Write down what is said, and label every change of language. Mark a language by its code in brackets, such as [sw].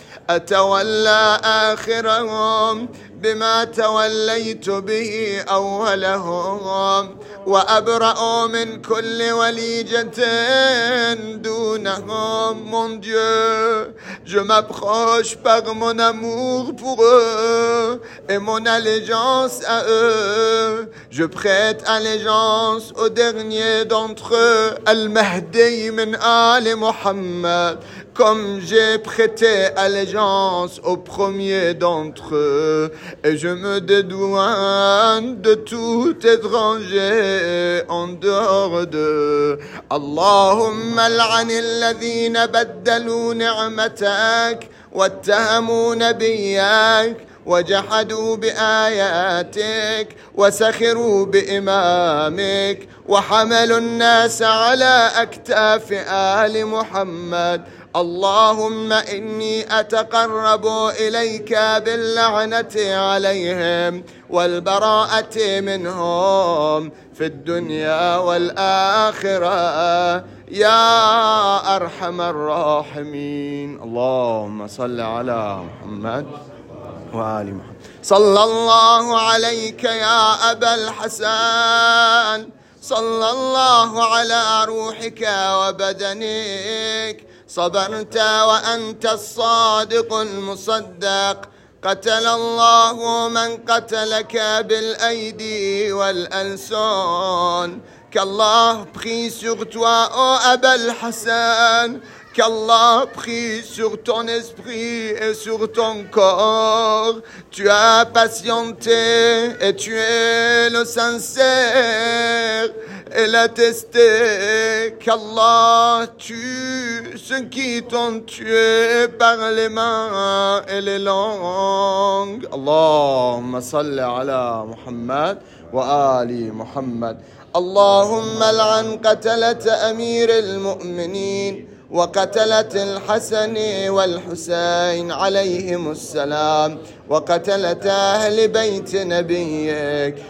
[ar] أتولى آخرهم بما توليت به أولهم، وأبرأ من كل وليجة دونهم. [fr] Mon Dieu, je m'approche par mon amour pour eux et mon allégeance à eux. Je prête allégeance au dernier d'entre eux, Al-Mahdi min Ali Muhammad, comme j'ai prêté allégeance au premier d'entre eux. Et je me dédouane de tout étranger en dehors d'eux. [ar] Allahumma al'ani alladhina baddalu ni'matak wattahamu nabiyak وجحدوا بآياتك وسخروا بإمامك وحملوا الناس على أكتاف آل محمد. اللهم إني أتقرب إليك باللعنة عليهم والبراءة منهم في الدنيا والآخرة يا أرحم الراحمين. اللهم صل على محمد وآل محمد. صلى الله عليك يا أبا الحسن، صلى الله على روحك وبدنك، صبرت وأنت الصادق المصدق. قتل الله من قتلك بالأيدي والألسان. [fr] Qu'Allah prie sur toi, ô Abel Hassan, qu'Allah prie sur ton esprit et sur ton corps. Tu as patienté et tu es le sincère. Elle a testé qu'Allah tue ceux qui t'ont tué par les mains et les langues. [ar] Allahumma salli ala Muhammad wa ali Muhammad. اللهم العن قتلة أمير المؤمنين وقتلة الحسن والحسين عليهم السلام وقتلة أهل بيت نبيك.